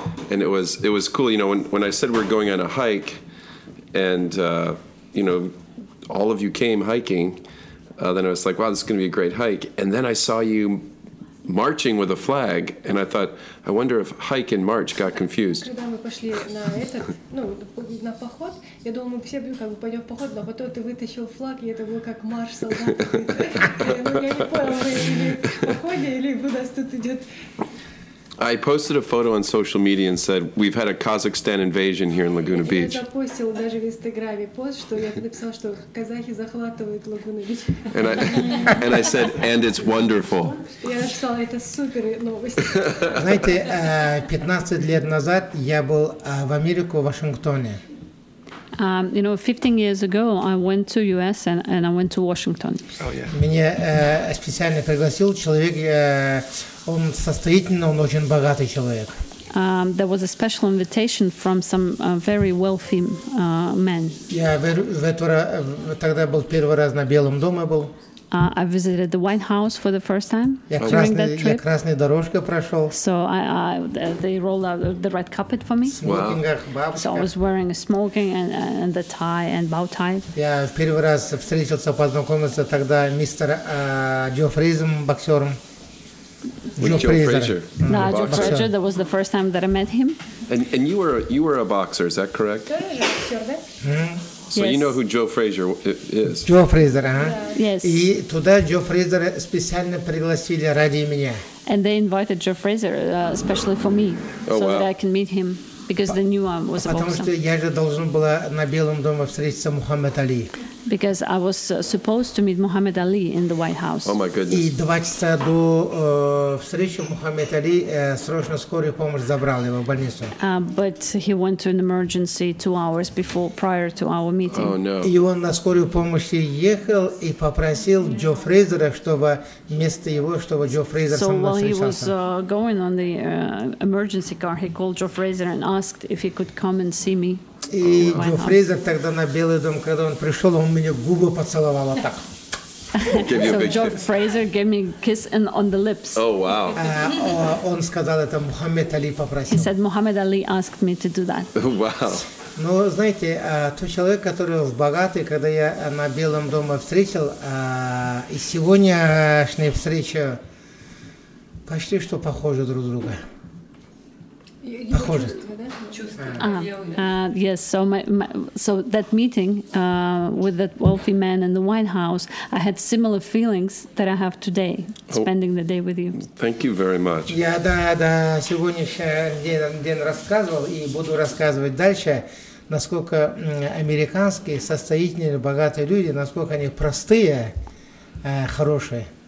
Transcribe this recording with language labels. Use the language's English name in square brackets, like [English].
[English] And it was cool, you know, when I said we're going on a hike, and you know, all of you came hiking, then I was like, wow, this is going to be a great hike. And then I saw you marching with a flag, and I thought, I wonder if hike and march got confused. [Russian] Когда мы пошли на этот, ну, на поход, я думала, мы все как бы пойдем в поход, но потом ты вытащил флаг, и это было как марш солдата. Я не понял, мы в походе или у нас тут идет. [English] I posted a photo on social media and said, we've had a Kazakhstan invasion here in Laguna Beach. [Russian] Я запостил даже в Инстаграме пост, что я написал, что казахи захватывают Лагуна Бич. [English] And I said, and it's wonderful. [Russian] Я написал, это супер новость. Знаете, 15 лет назад я был в Америку, в Вашингтоне. [English] You know, 15 years ago, I went to U.S. and I went to Washington. Oh, yeah. [Russian] Меня специально пригласил человек, он состоятельный, он очень богатый человек. [English] There was a special invitation from some very wealthy men. [Russian] Я тогда был первый раз на Белом доме был. [English] I visited the White House for the first time during that trip. [Russian] Я красной дорожкой прошел. [English] So they rolled out the red carpet for me. Smoking, wow. So I was wearing a smoking and the tie and bow tie. [Russian] Я первый раз встретился, познакомился тогда мистер Джо Фрейзером, боксером. Джо Фрейзер. [English] That was the first time that I met him. And you were a boxer, is that correct? So yes. You know who Joe Frazier is. Joe Frazier, huh? Yes. [Russian] И туда Joe Frazier специально пригласили ради меня. [English] And they invited Joe Frazier especially for me, oh, so wow, that I can meet him, because they knew I was a boxer. [Russian] Потому что я же должен был на Белом доме встретиться Мухаммед Али. [English] Because I was supposed to meet Muhammad Ali in the White House. Oh my goodness. [Russian] И 2 часа до встречи Мухаммед Али срочно скорую помощь забрал его в больницу. [English] But he went to an emergency 2 hours prior to our meeting. Oh no. [Russian] И он на скорую помощь ехал и попросил Джо Фрейзера, чтобы вместо его, чтобы Джо Фрейзер со мной встречался. [English] So while he was going on the emergency car, he called Joe Frazier and asked if he could come and see me. [Russian] И Джо Фрейзер тогда на Белый дом, когда он пришел, он меня губы поцеловал так. [English] So Джо Фрейзер gave me a kiss on the lips. Oh wow. [Russian] Он сказал это Мухаммед Али попросил. [English] He said Muhammad Ali asked me to do that. Wow. [Russian] Но знаете, тот человек, который в богатый, когда я на Белом доме встретил, и сегодняшняя встреча почти что похожи друг друга. [English] Yes, so so that meeting with that wealthy man in the White House, I had similar feelings that I have today, spending the day with you. Thank you very much. [Russian] Я да сегодняшний день рассказывал и буду рассказывать дальше, насколько американские состоятельные богатые люди, насколько они простые, хорошие.